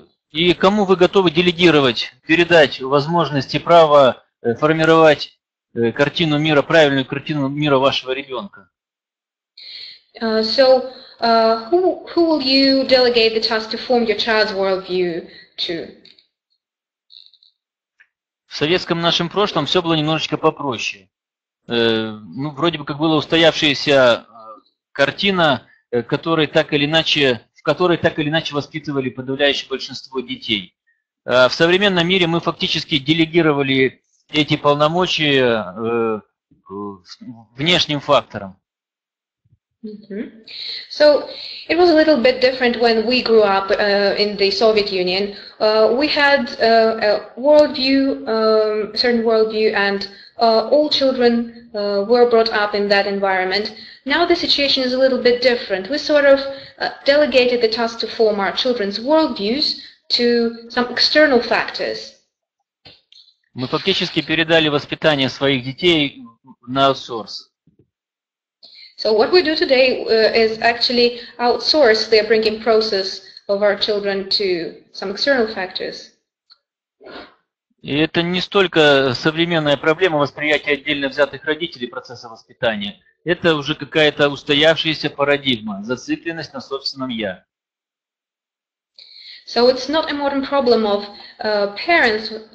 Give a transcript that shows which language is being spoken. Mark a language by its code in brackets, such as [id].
[ru] И кому вы готовы делегировать, передать возможности, право формировать картину мира, правильную картину мира вашего ребенка? [en] Who will you delegate the task to form your child's worldview to? [ru] В советском нашем прошлом все было немножечко попроще. Вроде бы как была устоявшаяся картина, в которой так или иначе воспитывали подавляющее большинство детей. В современном мире мы фактически делегировали эти полномочия внешним факторам. Mm-hmm. [en] So it was a little bit different when we grew up in the Soviet Union. We had a worldview, a certain worldview, and all children were brought up in that environment. Now the situation is a little bit different. We sort of delegated the task to form our children's worldviews to some external factors. [ru] Мы фактически передали воспитание своих детей на аутсорс. [en] So what we do today is actually outsource the upbringing process of our children to some external factors. [ru] И это не столько современная проблема восприятия отдельно взятых родителей процесса воспитания. Это уже какая-то устоявшаяся парадигма, зацикленность на собственном я. [en] So it's not a modern problem of parents.